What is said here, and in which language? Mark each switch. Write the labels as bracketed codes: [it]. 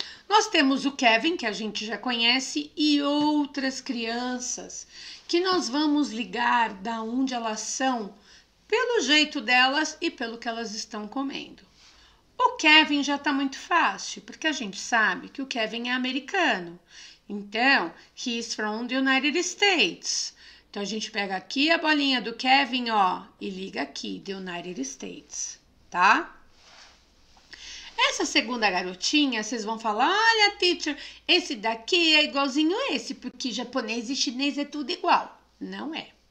[pt] Nós temos o Kevin, que a gente já conhece, e outras crianças que nós vamos ligar da onde elas são, pelo jeito delas e pelo que elas estão comendo. O Kevin já está muito fácil, porque a gente sabe que o Kevin é americano. [en] Então, he is from the United States. [pt] Então, a gente pega aqui a bolinha do Kevin, ó, e liga aqui, the United States, tá? Essa segunda garotinha, vocês vão falar: olha, teacher, esse daqui é igualzinho a esse, porque japonês e chinês é tudo igual. Não é.